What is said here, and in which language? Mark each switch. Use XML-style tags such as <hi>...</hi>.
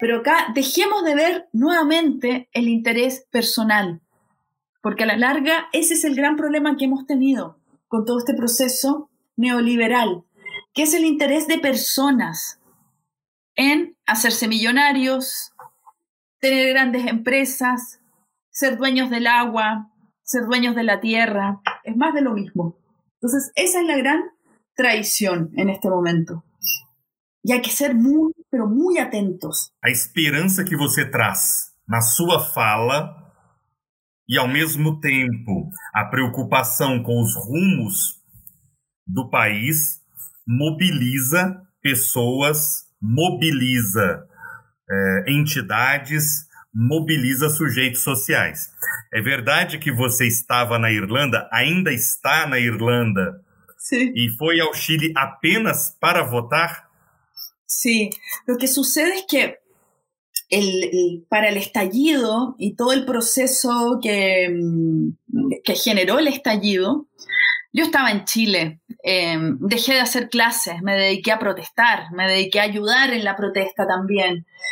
<es>Pero acá dejemos de ver nuevamente el interés personal, porque a la larga ese es el gran problema que hemos tenido con todo este proceso neoliberal, que es el interés de personas en hacerse millonarios, tener grandes empresas, ser dueños del agua, ser dueños de la tierra. Es más de lo mismo. Entonces esa es la gran traición en este momento.</es> <pt>E há que ser muito, pero muito atentos. A esperança que você traz na sua fala e, ao mesmo tempo, a preocupação com os rumos do país mobiliza pessoas, mobiliza entidades, mobiliza sujeitos sociais. É verdade que você estava na Irlanda, ainda está na Irlanda, sim, e foi ao Chile apenas para votar?</pt> <es>Sí, lo que sucede es que para el estallido y todo el proceso que generó el estallido, yo estaba en Chile, dejé de hacer clases, me dediqué a protestar, me dediqué a ayudar en la protesta también.</es>